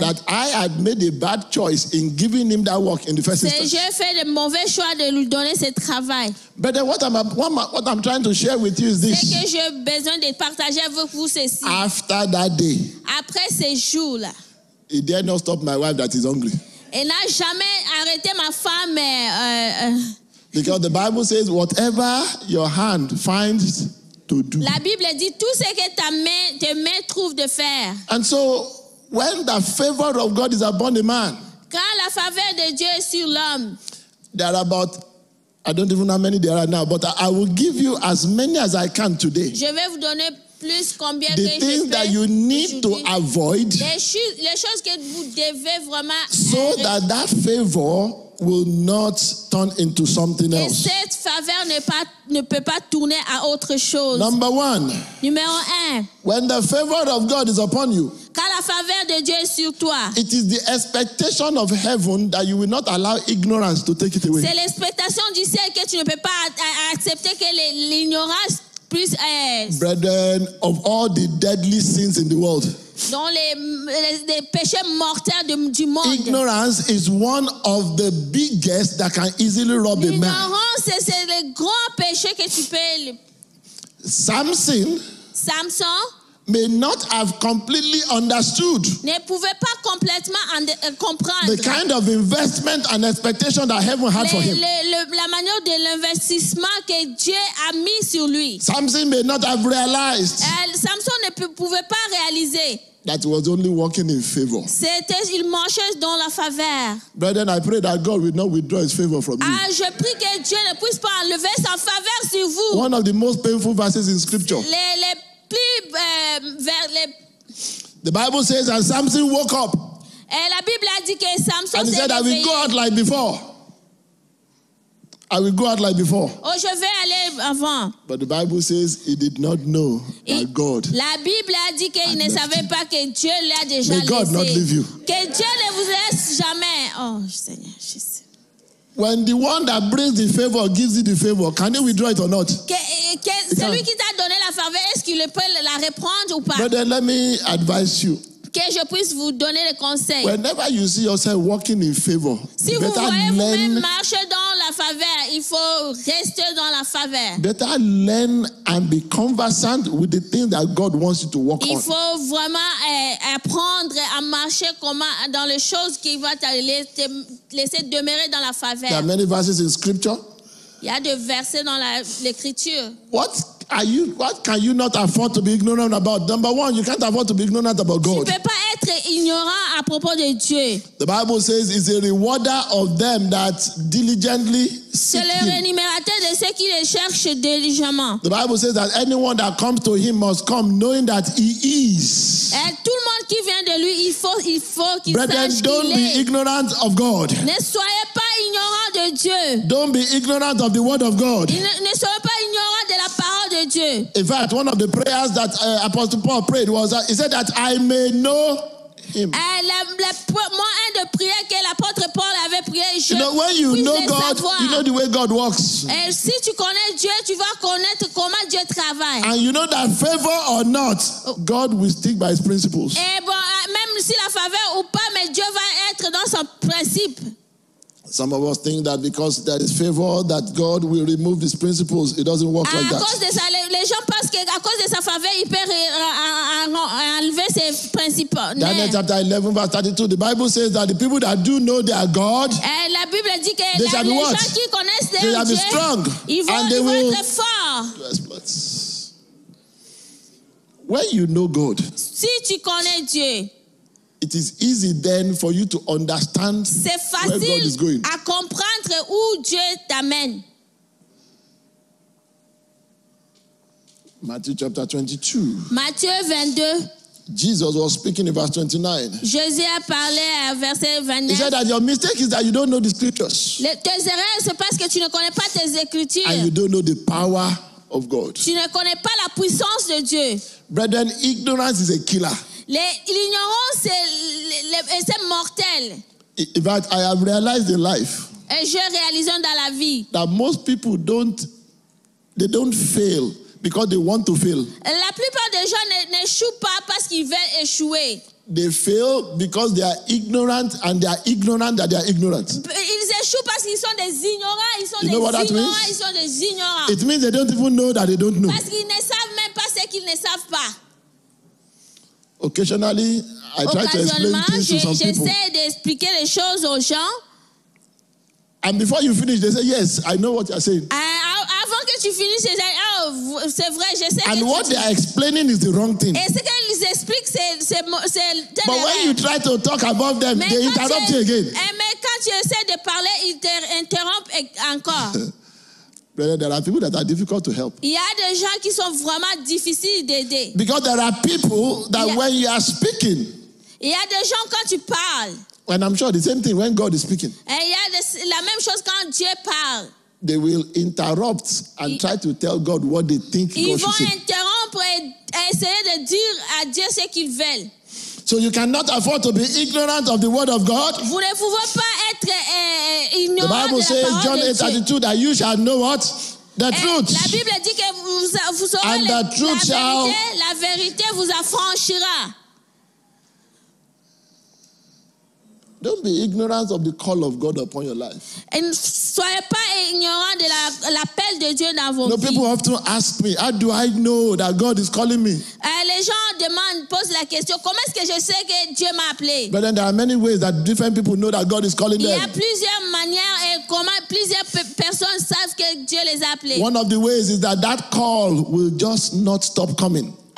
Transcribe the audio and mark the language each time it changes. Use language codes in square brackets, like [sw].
[en] That I had made a bad choice in giving him that work in the first instance. [fr] J'ai fait le mauvais choix de lui donner ce travail. [en] But then what I'm trying to share with you is this. [fr] C'est que j'ai besoin de partager avec vous ceci. [en] After that day. [fr] Après ces jours là. [en] He dare not stop my wife that is hungry. [fr] Et n'a jamais arrêté ma femme. [en] Because the Bible says whatever your hand finds. [fr] La Bible dit tout ce que tes mains trouvent de faire. [en] And so, when the favor of God is upon a man, [fr] quand la faveur de Dieu est sur l'homme, [en] there are about, I don't even know how many there are now, but I will give you as many as I can today. [fr] Je vais vous donner plus combien [en] the things that you need to avoid, [fr] les choses que vous devez vraiment, [en] so that favor will not turn into something else. [fr] Et cette faveur ne peut pas tourner à autre chose. [en] Number one. [fr] Numéro un. [en] When the favor of God is upon you. [fr] Quand la faveur de Dieu est sur toi. [en] It is the expectation of heaven that you will not allow ignorance to take it away. [fr] C'est l'expectation du ciel que tu ne peux pas accepter que l'ignorance puisse. [en] Brethren, of all the deadly sins in the world. [fr] Dans les péchés mortels du monde. [en] Ignorance is one of the biggest that can easily rob a man. [fr] L'ignorance, c'est le grand péché que tu peux. [en] Samson may not have completely understood. [fr] Ne pouvait pas complètement comprendre. [en] The kind of investment and expectation that heaven had for him. [fr] La manière de l'investissement que Dieu a mis sur lui. [en] Samson may not have realized. [fr] Samson ne pouvait pas réaliser. [en] That was only working in favor. [fr] C'était il marchait dans la faveur. [en] Brethren, I pray that God will not withdraw His favor from you. [fr] Je prie que Dieu ne puisse pas enlever sa faveur sur vous. [en] One of the most painful verses in Scripture. The Bible says that Samson woke up. [fr] La Bible a dit que Samson. [en] And he said, "I will go out like before. I will go out like before." [fr] Oh, je vais aller avant. [en] But the Bible says he did not know that God. [fr] La Bible a dit qu'il ne savait pas que Dieu l'a déjà laissé. [en] May God not leave you. [fr] Que Dieu ne vous laisse jamais. Oh, Seigneur, Jésus. [en] When the one that brings the favor gives you the favor, can he withdraw it or not? [fr] Celui qui t'a donné la faveur, est-ce qu'il peut la reprendre ou pas? [en] But then let me advise you. [fr] Que je puisse vous donner le conseil. [en] Whenever you see yourself walking in favor, [fr] si vous voyez vous-même marcher dans la faveur, il faut rester dans la faveur. [en] Better learn and be conversant with the thing that God wants you to walk on. [fr] Il faut vraiment apprendre à marcher comment dans les choses qui va te laisser demeurer dans la faveur. [en] There are many verses in Scripture. [fr] Il y a des versets dans l'Écriture. [en] What What can you not afford to be ignorant about? Number one, you can't afford to be ignorant about God. [fr] Tu peux pas être ignorant à propos de Dieu. [en] The Bible says he's a rewarder of them that diligently seek him. [fr] C'est le rémunérateur de ceux qui le cherchent diligemment. [en] The Bible says that anyone that comes to him must come knowing that he is. [fr] Et tout le monde qui vient de lui, il faut qu'il sache qu'il est. [en] Brethren, don't be ignorant of God. [fr] Ne soyez pas ignorant de Dieu. [en] Don't be ignorant of the word of God. [fr] Ne soyez pas ignorant de la parole de Dieu. [en] In fact, one of the prayers that Apostle Paul prayed was that he said that I may know him. [fr] Un de prières que l'apôtre Paul avait prié, je [en] you know, when you know God, [fr] savoir. [en] You know the way God works. [fr] Et si tu connais Dieu, tu vas connaître comment Dieu travaille. [en] And you know that favor or not, God will stick by his principles. [fr] Et bon, même si la faveur ou pas, mais Dieu va être dans son principe. [en] Some of us think that because there is favor, that God will remove his principles. It doesn't work like that. [fr] À cause de ça, les gens pensent que à cause de sa faveur, il peut enlever ses principes. [en] Daniel chapter 11 verse 32. The Bible says that the people that do know their God, [fr] la Bible dit que [en] they shall be what? [fr] Les gens qui connaissent [en] they shall be strong, and they will [fr] être fort. [en] When you know God, [fr] si tu connais Dieu. [en] It is easy then for you to understand where God is going. [fr] À comprendre où Dieu t'amène. [en] Matthew chapter 22. [fr] Matthieu 22. [en] Jesus was speaking in verse 29. [fr] Jésus a parlé à verset 29. [en] He said that your mistake is that you don't know the scriptures. [fr] Tes erreurs, c'est parce que tu ne connais pas tes écritures. [en] And you don't know the power of God. [fr] Tu ne connais pas la puissance de Dieu. [en] Brethren, ignorance is a killer. [fr] L'ignorance est mortel. [en] In fact, I have realized in life. [fr] Et je réalise dans la vie. [en] That most people don't fail because they want to fail. [fr] La plupart des gens n'échouent pas parce qu'ils veulent échouer. [en] They fail because they are ignorant and they are ignorant that they are ignorant. [fr] Ils échouent parce qu'ils sont des ignorants. Ils sont [en] you know [fr] des [en] what that [fr] ignorants, [en] means? [fr] Ils sont des ignorants. [en] It means they don't even know that they don't know. [fr] Parce qu'ils ne savent même pas ce qu'ils ne savent pas. [en] Occasionally, I try to explain things to some people. [fr] J'essaie d'expliquer les choses aux gens. [en] And before you finish, they say, yes, I know what you're saying. [fr] Avant que tu finisses, [en] they say, [fr] oh, c'est vrai, je sais. [en] And what they are explaining is the wrong thing. [fr] Et ce qu'ils expliquent, c'est [en] But when you try to talk above them, [fr] mais [en] they interrupt you again. [fr] Mais quand tu essaies de parler, ils t'interrompent encore. [en] Brother, there are people that are difficult to help. [fr] Il y a des gens qui sont vraiment difficiles d'aider. [en] Because there are people that when you are speaking. [fr] Il y a des gens quand tu parles. [en] And I'm sure the same thing when God is speaking. [fr] Et il y a la même chose quand Dieu parle. [en] They will interrupt and try to tell God what they think God should say. [fr] Ils vont interrompre et essayer de dire à Dieu ce qu'ils veulent. [en] So you cannot afford to be ignorant of the word of God. [fr] Vous ne pouvez pas être ignorant de la parole de Dieu. [en] The Bible says John 8:32 that you shall know what? The truth. [fr] La Bible dit que vous saurez [en] and the truth shall [fr] la vérité vous affranchira. [en] Don't be ignorant of the call of God upon your life. [fr] Et soyez pas ignorant de l'appel de Dieu dans vos vies. [en] People often ask me, how do I know that God is calling me? [fr] Les gens demandent, posent la question, comment est-ce que je sais que Dieu m'a appelé? [en] But then there are many ways that different people know that God is calling them. [fr] Il y a plusieurs manières et comment plusieurs personnes savent que Dieu les a appelés. [en] One of the ways is that that call will just not stop coming.